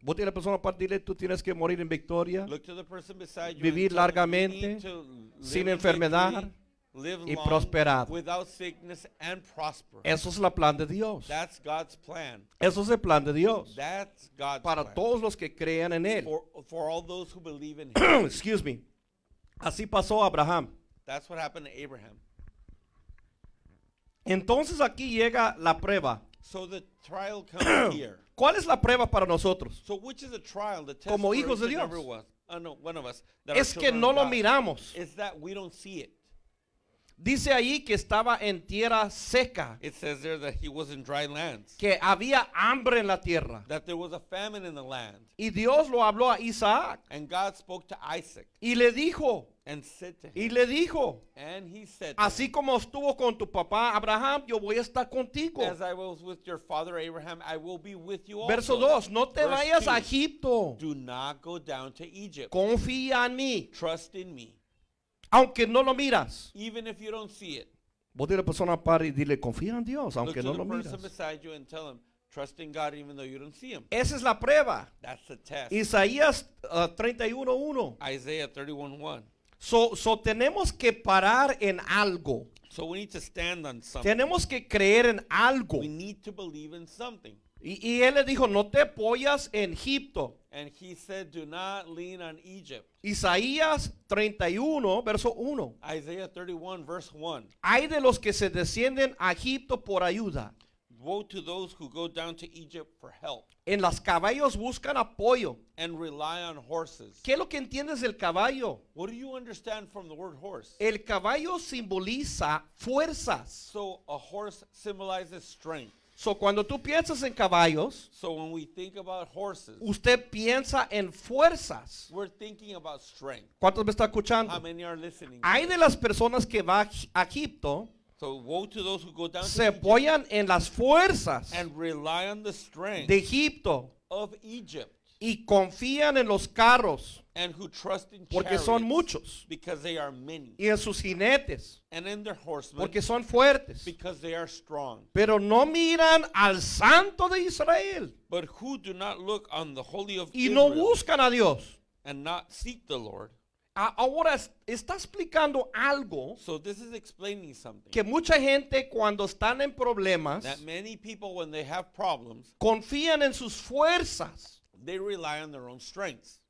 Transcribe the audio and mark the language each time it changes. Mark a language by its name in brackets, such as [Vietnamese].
[Spanish] Vos tienes la persona para decirle, tú tienes que morir en victoria. [English] Look to the person beside you. [Spanish] Vivir largamente, sin enfermedad. [English] Live [Spanish] y prosperar. [English] Without sickness and prosper. [Spanish] Eso es el plan de Dios. [English] That's God's plan. [Spanish] Eso es el plan de Dios. [English] That's God's [Spanish] para [English] plan. [Spanish] Todos los que crean en él. [English] For all those who believe in him. Excuse me. [Spanish] Así pasó Abraham. [English] That's what happened to Abraham. [Spanish] Entonces aquí llega la prueba. [English] So the trial comes here. [Spanish] ¿Cuál es la prueba para nosotros? [English] So which is the trial, the test [Spanish] como hijos de Dios. [English] One of us, [Spanish] es que no lo miramos. [English] Is that we don't see it. [Spanish] Dice ahí que estaba en tierra seca. [English] It says there that he was in dry lands. [Spanish] Que había hambre en la tierra. [English] That there was a famine in the land. [Spanish] Y Dios lo habló a Isaac. [English] And God spoke to Isaac. [Spanish] Y le dijo. [English] And said to him. [Spanish] Y le dijo. [English] And he said. [Spanish] Así como estuvo con tu papá Abraham, yo voy a estar contigo. [English] As I was with your father Abraham, I will be with you also. [Spanish] Verso 2. No te vayas a Egipto. [English] Do not go down to Egypt. [Spanish] Confía en mí. [English] Trust in me. [Spanish] Aunque no lo miras. [English] Even if you don't see it. [Spanish] Vos dile a la persona par y dile, confía en Dios, aunque no lo miras. [English] Look to the person beside you and tell him, trust in God even though you don't see him. [Spanish] Esa es la prueba. [English] That's the test. [Spanish] Isaías 31:1. [English] Isaiah 31:1. [Spanish] So tenemos que parar en algo. [English] So we need to stand on something. [Spanish] Tenemos que creer en algo. [English] We need to believe in something. [Spanish] Y él le dijo, no te apoyas en Egipto. [English] And he said, do not lean on Egypt. [Spanish] Isaías 31, verso 1. [English] Isaiah 31, verse 1. [Spanish] Hay de los que se descienden a Egipto por ayuda. [English] Woe to those who go down to Egypt for help. [Spanish] En las caballos buscan apoyo. [English] And rely on horses. [Spanish] ¿Qué es lo que entiendes del caballo? [English] What do you understand from the word horse? [Spanish] El caballo simboliza fuerzas. [English] So a horse symbolizes strength. [Spanish] So cuando tú piensas en caballos, [English] so when we think about horses, [Spanish] usted piensa en fuerzas. [English] We're thinking about strength. [Spanish] ¿Cuántos me están escuchando? [English] How many are listening? [Spanish] Hay de las personas que va a Egipto, [English] so woe to those who go down [Spanish] se apoyan en las fuerzas [English] and rely on the strength [Spanish] de Egipto [English] of Egypt, [Spanish] y confían en los carros [English] and who trust in [Spanish] porque [English] chariots, [Spanish] son muchos [English] because they are many, [Spanish] y en sus jinetes [English] and in their horsemen, [Spanish] porque son fuertes [English] because they are strong. [Spanish] Pero no miran al Santo de Israel, [English] but who do not look on the Holy of [Spanish] y [English] Israel, [Spanish] no buscan a Dios [English] and not seek the Lord. [Spanish] Ahora está explicando algo, [English] so this is explaining something, [Spanish] que mucha gente cuando están en problemas, [English] that many people when they have problems, [Spanish] confían en sus fuerzas, [English] they rely on their own strengths,